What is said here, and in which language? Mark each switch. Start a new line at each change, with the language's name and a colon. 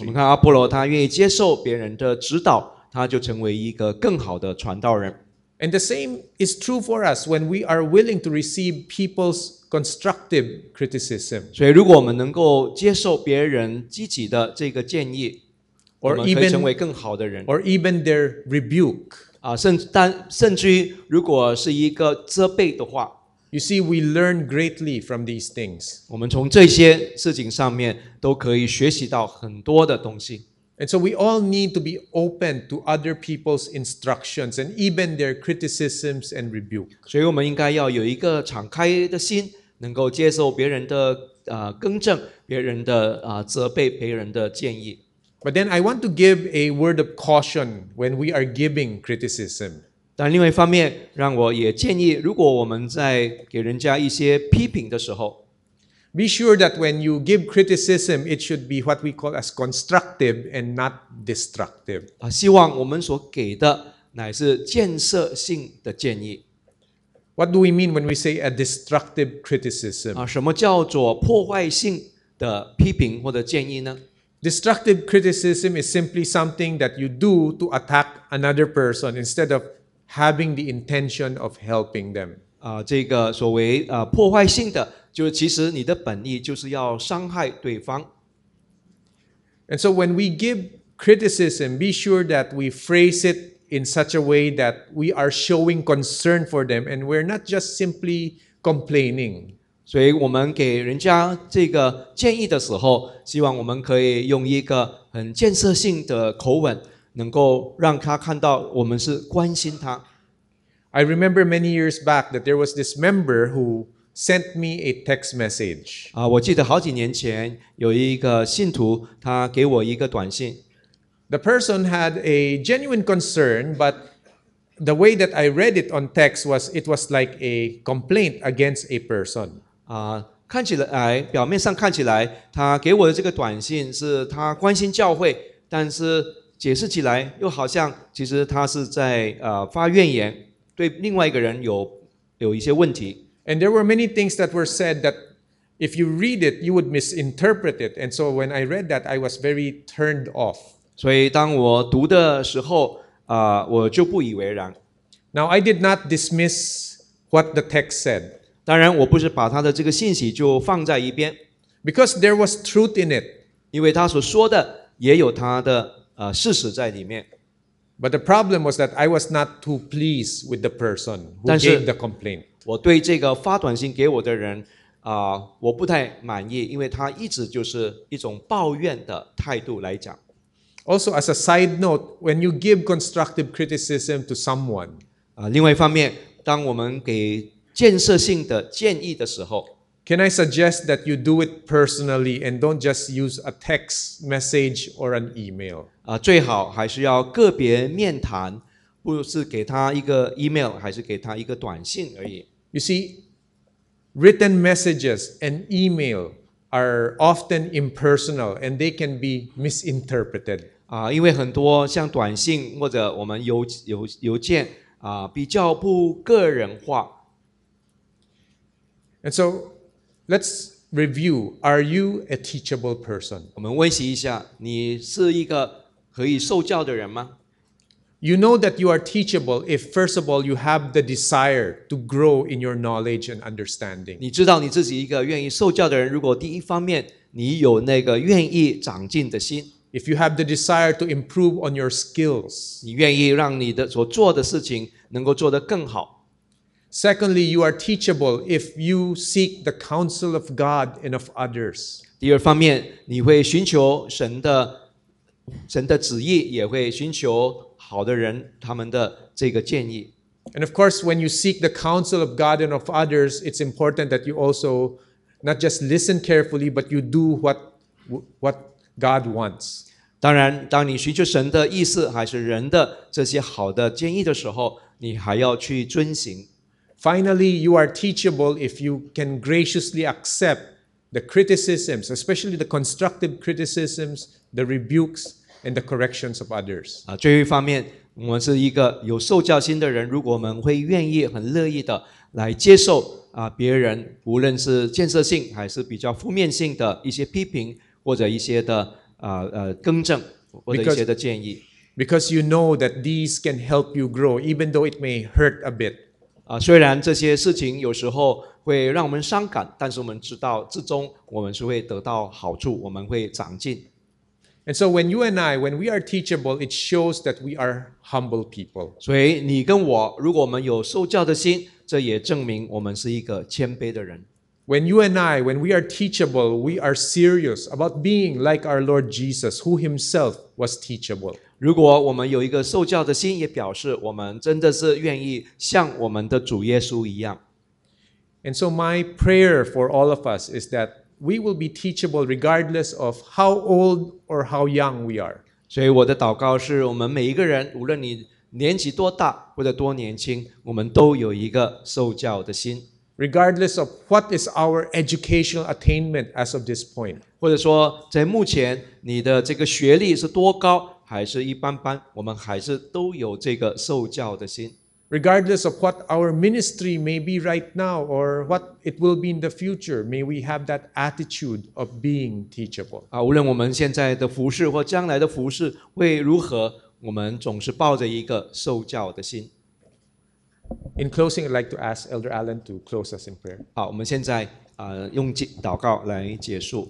Chinese: 我们看阿波罗，他愿意接受别人的指导，他就成为一个更好的传道人。
English: And the same is true for us when we are willing to receive people's constructive criticism.
Chinese: 所以如果我们能够接受别人积极的这个建议，我们可以成为更好的人。
English: Or even their rebuke.
Chinese: 甚至于如果是一个责备的话
English: ，You see, we learn greatly from these things.
Chinese: 我们从这些事情上面都可以学习到很多的东西。
English: And so we all need to be open to other people's instructions and even their criticisms and rebuke.
Chinese: 所以我们应该要有一个敞开的心，能够接受别人的更正，别人的责备，别人的建议。
English: But then I want to give a word of caution when we are giving criticism.
Chinese: 但另外一方面，让我也建议，如果我们在给人家一些批评的时候
English: ，Be sure that when you give criticism, it should be what we call as constructive and not destructive.
Chinese: 希望我们所给的乃是建设性的建议。
English: What do we mean when we say a destructive criticism?
Chinese: 什么叫做破坏性的批评或者建议呢？
English: Destructive criticism is simply something that you do to attack another person instead of having the intention of helping them.
Chinese: 这个所谓破坏性的，就是其实你的本意就是要伤害对方。
English: And so when we give criticism, be sure that we phrase it in such a way that we are showing concern for them and we're not just simply complaining.
Chinese: 所以我们给人家这个建议的时候，希望我们可以用一个很建设性的口吻，能够让他看到我们是关心他。
English: I remember many years back that there was this member who sent me a text message.
Chinese: 我记得好几年前有一个信徒，他给我一个短信。
English: The person had a genuine concern, but the way that I read it on text was it was like a complaint against a person.
Chinese: 看起来，表面上看起来，他给我的这个短信是他关心教会，但是解释起来又好像其实他是在发怨言，对另外一个人有一些问题。
English: And there were many things that were said that if you read it, you would misinterpret it. And so when I read that, I was very turned off.
Chinese: 所以当我读的时候，我就不以为然。
English: Now I did not dismiss what the text said.
Chinese: 当然，我不是把他的这个信息就放在一边。
English: Because there was truth in it.
Chinese: 因为他所说的也有他的事实在里面。
English: But the problem was that I was not too pleased with the person who gave the complaint.
Chinese: 我对这个发短信给我的人我不太满意，因为他一直就是一种抱怨的态度来讲。
English: Also, as a side note, when you give constructive criticism to someone,
Chinese: 另外一方面，当我们给建设性的建议的时候，
English: Can I suggest that you do it personally and don't just use a text message or an email?
Chinese: 最好还是要个别面谈，不是给他一个 email， 还是给他一个短信而已。
English: You see, written messages and email are often impersonal and they can be misinterpreted.
Chinese: 因为很多像短信或者我们邮件比较不个人化。
English: And so, let's review. Are you a teachable person?
Chinese: 我们温习一下，你是一个可以受教的人吗？
English: You know that you are teachable if, first of all, you have the desire to grow in your knowledge and understanding.
Chinese: 你知道你自己一个愿意受教的人，如果第一方面你有那个愿意长进的心。
English: If you have the desire to improve on your skills.
Chinese: 你愿意让你的所做的事情能够做得更好。
English: Secondly, you are teachable if you seek the counsel of God and of others.
Chinese: 第二方面，你会寻求神的旨意，也会寻求好的人他们的这个建议。
English: And of course, when you seek the counsel of God and of others, it's important that you also not just listen carefully, but you do what God wants.
Chinese: 当然，当你寻求神的意思还是人的这些好的建议的时候，你还要去遵行。
English: Finally, you are teachable if you can graciously accept the criticisms, especially the constructive criticisms, the rebukes. And the corrections of others.
Chinese: 最后一方面，我们是一个有受教心的人，如果我们会愿意、很乐意的来接受别人，无论是建设性还是比较负面性的一些批评或者一些的更正或者一些的建议。
English: Because you know that these can help you grow, even though it may hurt a bit.
Chinese: 虽然这些事情有时候会让我们伤感，但是我们知道至终我们是会得到好处，我们会长进。
English: And so when you and I, when we are teachable, it shows that we are humble people.
Chinese: 所以你跟我，如果我们有受教的心，这也证明我们是一个谦卑的人。
English: When you and I, when we are teachable, we are serious about being like our Lord Jesus, who himself was teachable.
Chinese: 如果我们有一个受教的心，也表示我们真的是愿意像我们的主耶稣一样。
English: And so my prayer for all of us is that we will be teachable regardless of how old or how young we are.
Chinese: 所以我的祷告是我们每一个人，无论你年纪多大或者多年轻，我们都有一个受教的心。
English: Regardless of what is our educational attainment as of this point.
Chinese: 或者说在目前你的这个学历是多高还是一般般，我们还是都有这个受教的心。
English: Regardless of what our ministry may be right now or what it will be in the future, may we have that attitude of being teachable.
Chinese: 无论我们现在的服事或将来的服事会如何，我们总是抱着一个受教的心。
English: In closing, I'd like to ask Elder Allen to close us in prayer.
Chinese: 好，我们现在用祷告来结束。